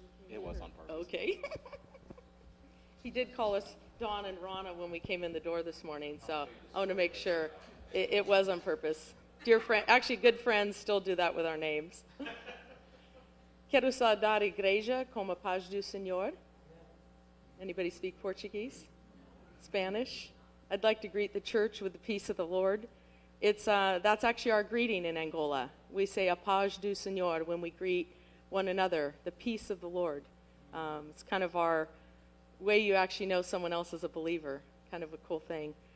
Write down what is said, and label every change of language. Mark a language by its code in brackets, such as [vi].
[en] It was on purpose. Okay. He did call us Don and Ronna when we came in the door this morning, so I want to make sure it was on purpose. Dear friend, actually, good friends still do that with our names. [pt] Quero saudar a igreja com a paz do Senhor. [en] Anybody speak Portuguese? Spanish? I'd like to greet the church with the peace of the Lord. That's actually our greeting in Angola. We say a paz do Senhor when we greet one another, the peace of the Lord. It's kind of our way you actually know someone else as a believer, kind of a cool thing.